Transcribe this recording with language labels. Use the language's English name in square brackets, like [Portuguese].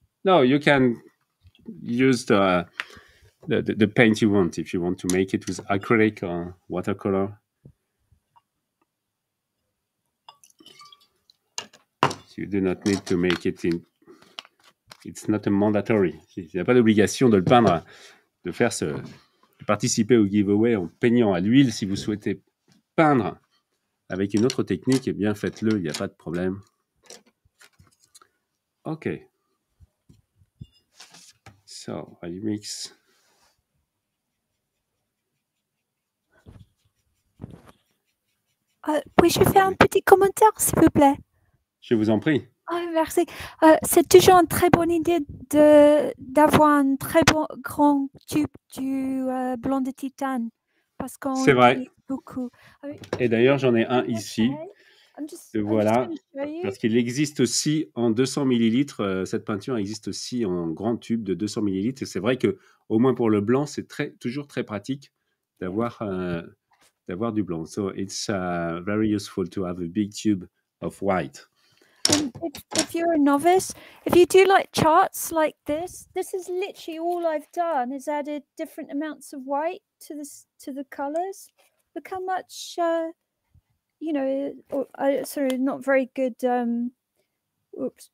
[English] No, you can use the paint you want, if you want to make it with acrylic or watercolor. You do not need to make it in... It's not a mandatory. [French] Il n'y a pas d'obligation de le peindre, de participer au giveaway en peignant à l'huile si vous souhaitez peindre. Avec une autre technique, eh bien, faites-le, il n'y a pas de problème. [English] OK. So, I mix. [French] Puis-je faire un petit commentaire, s'il vous plaît? Je vous en prie. Oh, merci. C'est toujours une très bonne idée d'avoir un très bon grand tube du blanc de titane. Parce qu'on c'est vrai. Beaucoup. Et d'ailleurs, j'en ai un ici. Voilà. Parce qu'il existe aussi en 200 ml. Cette peinture existe aussi en grand tube de 200 ml. Et c'est vrai qu'au moins pour le blanc, c'est toujours très pratique d'avoir du blanc. [English] So it's very useful to have a big tube of white. If you're a novice, if you do like charts like this, this is literally all I've done is added different amounts of white to the colors. Look how much, not very good. Oops.